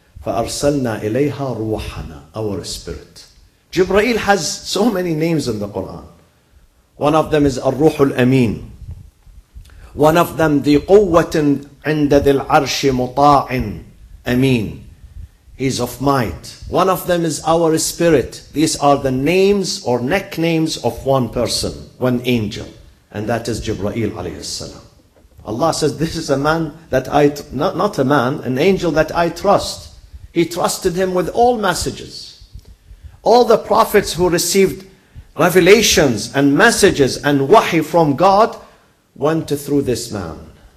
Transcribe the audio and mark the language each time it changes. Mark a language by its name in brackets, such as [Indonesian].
[Arabic] فَأَرْسَلْنَا إِلَيْهَا رُوحَنَا, [English] our spirit. Jibreel has so many names in the Quran. One of them is الروح الأمين. One of them, [Arabic] ذِي قُوَّةٍ عِنْدَ ذِي الْعَرْشِ مُطَاعٍ أَمِين. [English] He's of might. One of them is our spirit. These are the names or nicknames of one person, one angel. And that is Jibreel عليه السلام. Allah says, this is a man that an angel that I trust. He trusted him with all messages. All the prophets who received revelations and messages and wahi from God went through this man.